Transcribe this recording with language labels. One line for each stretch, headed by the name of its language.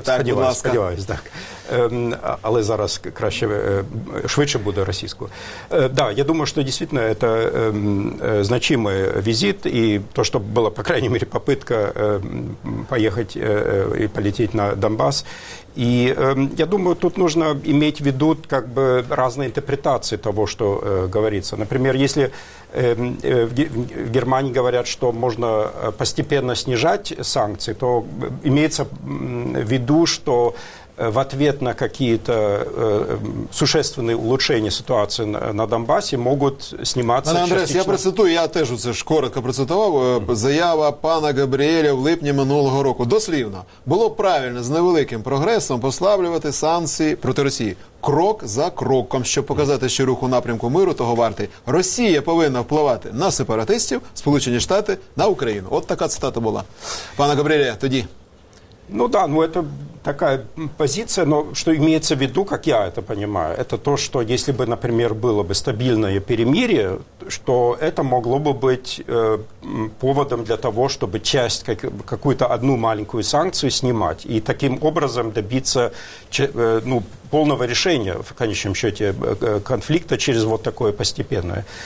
Ukrainian: Так, будь ласка. Сподіваюсь, так. Але зараз краще, швидше буде російською. Да, я думаю, що дійсно це значимий візит. І то, що була, по крайній мірі, попитка поїхати і полетіти на Донбас.
Russian: И я думаю, тут нужно иметь в виду как бы разные интерпретации того, что говорится. Например, если в Германии говорят, что можно постепенно снижать санкции, то имеется в виду, что в ответ на какие-то существенные улучшения ситуации на Донбассе могут сниматься частично.
Ukrainian: Андрес, я процитую, я теж це ж коротко процитував, заява пана Габріеля в липні минулого року. Дослівно, було правильно з невеликим прогресом послаблювати санкції проти Росії. Крок за кроком, щоб показати, що рух у напрямку миру того вартий. Росія повинна впливати на сепаратистів, Сполучені Штати на Україну. От така цитата була. Пана Габріеля, тоді.
Russian: Ну да, ну это такая позиция, но что имеется в виду, как я это понимаю, это то, что если бы, например, было бы стабильное перемирие, что это могло бы быть поводом для того, чтобы часть, какую-то одну маленькую санкцию снимать и таким образом добиться полного решения, в конечном счете, конфликта через вот такое постепенное.